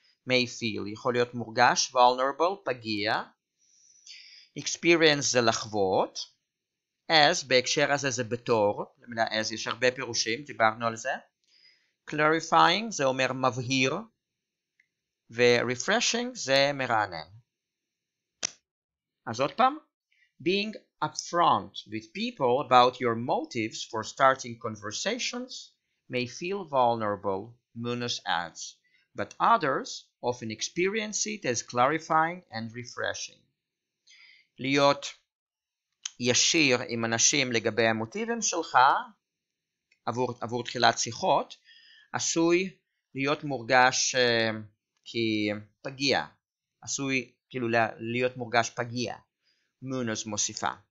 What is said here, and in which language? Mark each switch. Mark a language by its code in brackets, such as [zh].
[he] May feel, יכול להיות מורגש, vulnerable, פגיע, experience זה לחוות, as, בהקשר הזה זה בתור, למילה as, יש הרבה פירושים, דיברנו על זה, clarifying, זה אומר מבהיר, ו-refreshing, זה מרענן. [en] אז עוד פעם, being upfront with people about your motives for starting conversations may feel vulnerable, Munoz adds, but others often experience it as clarifying and refreshing. [he] להיות ישיר עם אנשים לגבי המוטיבים שלך עבור תחילת שיחות עשוי להיות מורגש כפגיע, עשוי כאילו להיות מורגש פגיע, מונוס מוסיפה.